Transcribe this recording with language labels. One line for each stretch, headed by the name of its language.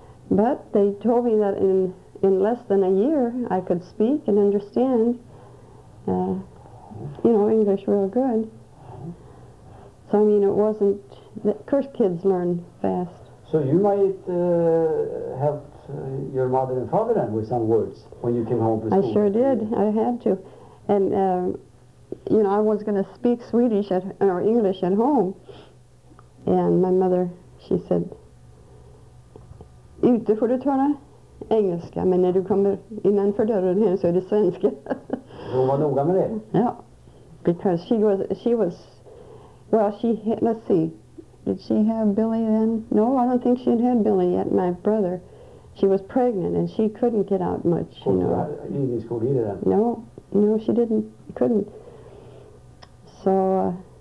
English: But they told me that in less than a year I could speak and understand, you know, English real good. So, I mean, it wasn't... Of course, kids learn fast. So you might help your mother and father then with some words when you came home from school? I sure did. I had to. And, you know, I was going to speak Swedish or English at home. And my mother, she said,
Swedish: Ute får du tala engelska, men när du kommer innanför dörren här så är det svenska. Hon var noga med det?
English: Ja, because she was, well, let's see, did she have Billy then? No, I don't think she had Billy yet, my brother. She was pregnant and she couldn't get out much, you know. Easy school either then? No, she couldn't. So